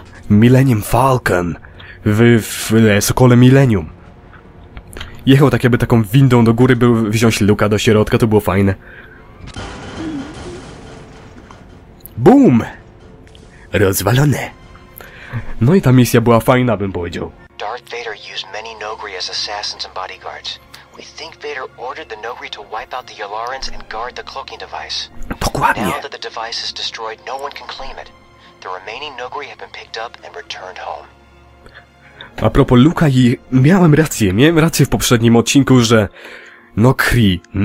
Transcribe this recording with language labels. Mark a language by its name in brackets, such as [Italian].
[Polish] Millennium Falcon w Sokole Millennium. Jechał tak jakby taką windą do góry, by wziąć Luka do środka, to było fajne. Boom! Rozwalone. No i ta misja była fajna, bym powiedział. [English] Darth Vader used many Nogri as assassins and bodyguards. We think Vader ordered the Nogri to wipe out the Yularens and guard the cloaking device. [Polish] Dokładnie. [English] Now that the device is destroyed, no one can claim it. The remaining Nogri have been picked up and returned home. [Polish] A propos Luka i... miałem rację w poprzednim odcinku, że... Nokry...